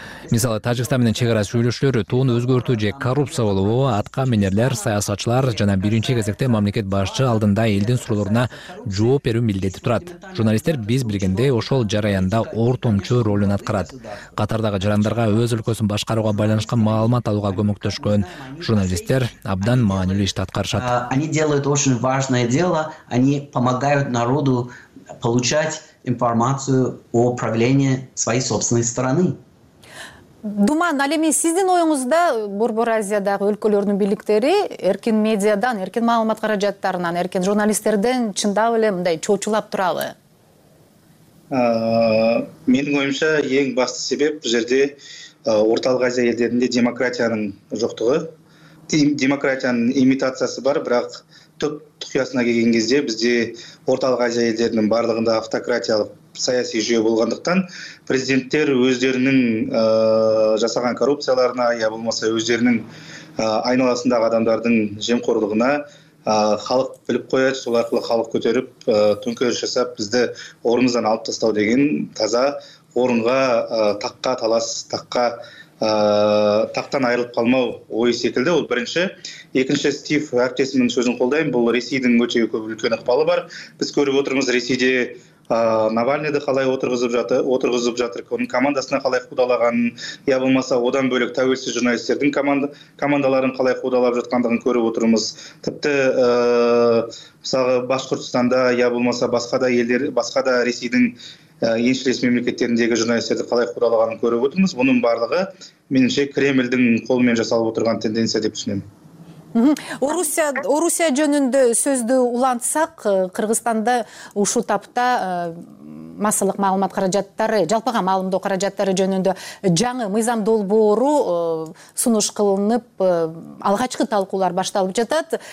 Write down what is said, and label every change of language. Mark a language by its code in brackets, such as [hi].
[ky] Мисалы, Тажикстан менен чек арасы сүйлөшүүлөрү тууну өзгөртүү же коррупция болобу, атка минерлер, саясатчылар жана биринчи кезекте мамлекет башчы алдында элдин суроолоруна жооп берүү милдети турат. Журналисттер биз билгендей ошол жараянда ортомчу ролун аткарат. Катардагы жарандарга өз өлкөсүн башкарууга байланышкан маалымат алууга көмөктөшкөн журналисттер абдан маанилүү иш аткарышат. [ru] Они делают очень важное дело, они помогают народу получать информацию о правлении своей собственной страны. [ky] Думан, ал эми сиздин оюңузда Борбор Азиядагы өлкөлөрдүн бийликтери эркин медиадан, эркин маалымат каражаттарынан, эркин журналисттерден чындап эле мындай чоочулап турабы? Менин оюмча эң басты себеп бул жерде Орталык Азия элдеринде демократиянын жоктугу. Демократиянын имитациясы бар, бирок түп тукуясына келген кезде бизде Орталык Азия элдеринин баардыгында автократиялык саясий жүйө болгондуктан президенттер өздөрүнүн жасаган коррупцияларына я болбосо өздөрүнүн айналасындагы адамдардын жемкорлугуна халык билип коет, сол аркылуу халык көтөрүп төңкөрүш жасап бизди орнубуздан алып тастоо деген таза орунга такка талас такка тактан айрылып калмоо ой секилди. Бул биринчи. [kk] Экинчи, Стив әріптесімнің сөзін қолдаймын, бұл ресейдің өте көп үлкен ықпалы бар. Біз көріп отырмыз ресейде Навальныйды қалай отырғызып жатыр, оның командасына қалай қудалаған, я болмаса одан бөлек тәуелсіз журналистердің командаларын қалай қудалап жатқандығын көріп отырмыз. Тіпті мысалы Башқұртстанда, я болмаса басқа да ресейдің еншілес мемлекеттеріндегі журналистерді қалай қудалағанын көріп отырмыз. Бұның барлығы меніңше Кремльдің қолымен жасалып отырған тенденция деп түсінемін. [ky] Орусия жөнүндө сөздү улантсак, Кыргызстанда ушул тапта массалык маалымат каражаттары, жалпыга маалымдоо каражаттары жөнүндө жаңы мыйзам долбоору сунуш кылынып, алгачкы талкуулар башталып жатат.